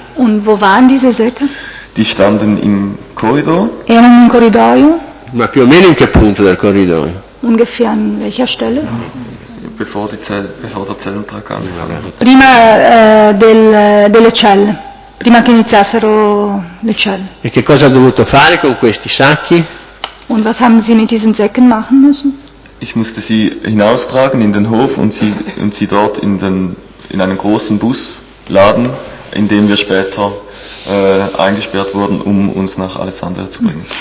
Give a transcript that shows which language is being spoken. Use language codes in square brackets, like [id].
[de] Und wo waren diese Säcke? Die standen im Corridor. [it] Erano in corridoio? Ma più o meno in che punto del corridoio? [de] Ungefähr an welcher Stelle? Bevor der Zellentag angefangen. [it] Prima delle celle, prima che iniziassero le celle. E che cosa ha dovuto fare con questi sacchi? [de] Und was haben Sie mit diesen Säcken machen müssen? ich musste sie hinaustragen in den Hof und sie dort in einen großen Bus laden, in dem wir später eingesperrt wurden, um uns nach Alessandria zu bringen.